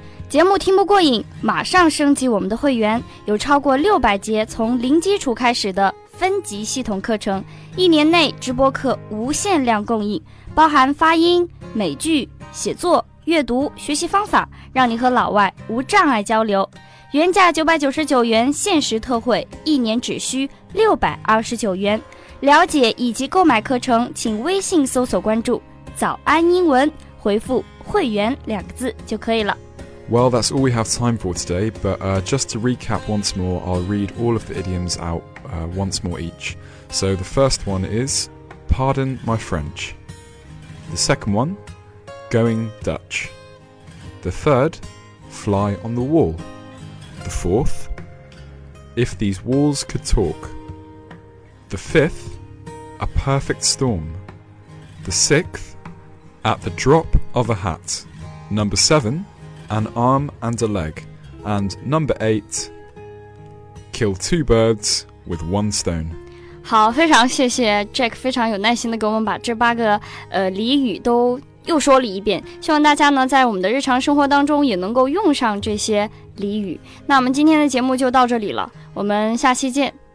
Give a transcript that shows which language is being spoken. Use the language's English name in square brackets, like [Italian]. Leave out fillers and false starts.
[Chinese] 节目听不过瘾，马上升级我们的会员，有超过600节从零基础开始的分级系统课程，一年内直播课无限量供应，包含发音、美剧、写作、阅读、学习方法，让你和老外无障碍交流。原价999元，限时特惠，一年只需629元。了解以及购买课程，请微信搜索关注“早安英文”，回复“会员”两个字就可以了。 [English] Well, that's all we have time for today, but just to recap once more, I'll read all of the idioms out once more each. So the first one is, pardon my French. The second one, going Dutch. The third, fly on the wall. The fourth, if these walls could talk. The fifth, a perfect storm. The sixth, at the drop of a hat. Number seven,An arm and a leg. And number eight, kill two birds with one stone. [Chinese] 好，非常谢谢 Jack 非常有耐心的给我们把这八个俚语都又说了一遍。希望大家呢在我们的日常生活当中也能够用上这些俚语。那我们今天的节目就到这里了，我们下期见。